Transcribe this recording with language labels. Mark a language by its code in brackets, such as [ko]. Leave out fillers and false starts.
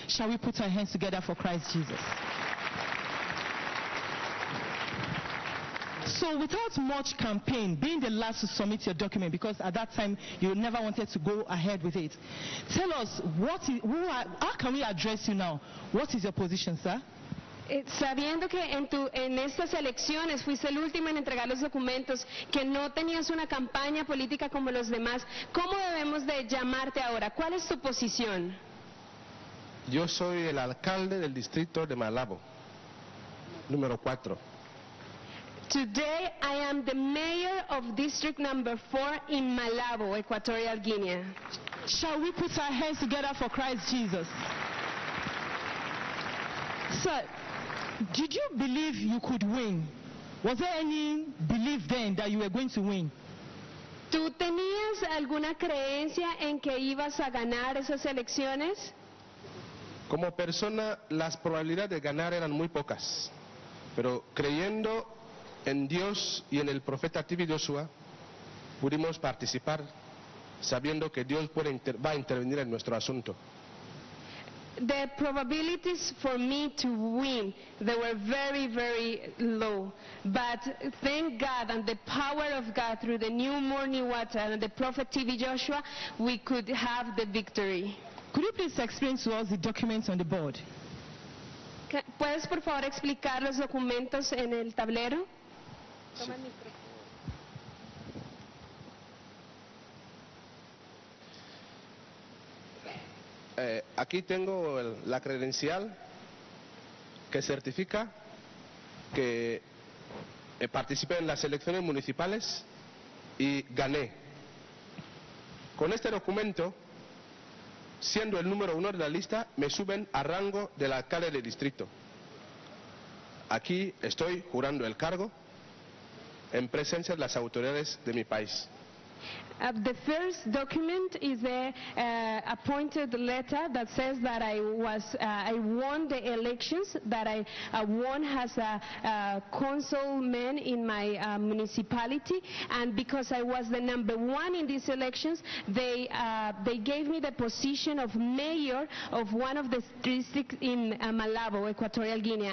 [en] Shall we put our hands together for Christ Jesus? So without much campaign, being the last to submit your document, because at that time you never wanted to go ahead with it, tell us, how can we address you now? What is your position, sir? [es] Sabiendo que en estas elecciones fuiste el último en entregar los documentos, que no tenías una campaña política como los demás, ¿cómo debemos de llamarte ahora? ¿Cuál es tu posición? Yo soy el alcalde del distrito de Malabo, número 4. [en] Today I am the mayor of district number 4 in Malabo, Equatorial Guinea. Shall we put our hands together for Christ Jesus? Sir, did you believe you could win? Was there any belief then that you were going to win? [es] ¿Tú tenías alguna creencia en que ibas a ganar esas elecciones? Como persona, las probabilidades de ganar eran muy pocas, pero creyendo en Dios y en el profeta TV Joshua, pudimos participar sabiendo que Dios va a intervenir en nuestro asunto. [en] The probabilities for me to win, they were very, very low. But thank God and the power of God through the new morning water and the prophet TV Joshua, we could have the victory. Could you please explain to us the documents on the board? [es] ¿Puedes por favor explicar los documentos en el tablero? Sí. Aquí tengo la credencial que certifica que participé en las elecciones municipales y gané. Con este documento, siendo el número uno de la lista, me suben a rango del alcalde de distrito. Aquí estoy jurando el cargo en presencia de las autoridades de mi país. [en] The first document is the appointed letter that says that I won the elections, that I won as a councilman in my municipality, and because I was the number one in these elections, they gave me the position of mayor of one of the districts in Malabo, Equatorial Guinea.